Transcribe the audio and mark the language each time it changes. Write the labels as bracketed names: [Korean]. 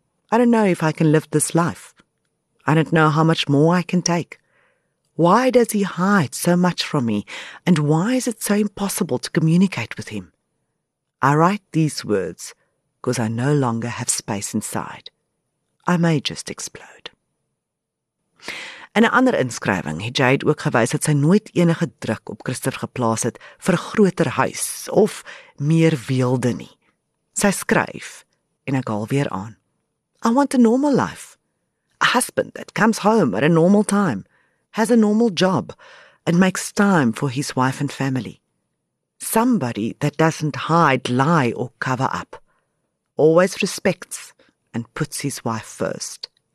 [English] I don't know if I can live this life. I don't know how much more I can take. Why does he hide so much from me, and why is it so impossible to communicate with him? I write these words because I no longer have space inside. I may just explode. [Afrikaans] In 'n ander inskrywing het Jade ook gewys dat sy nooit enige druk op Christopher geplaas het vir 'n groter huis of meer weelde nie. Sy skryf, en ek haal weer aan, [English] I want a normal life. A husband that comes home at a normal time, has a normal job, and makes time for his wife and family. Somebody that doesn't hide, lie or cover up. Always respects and puts his wife first.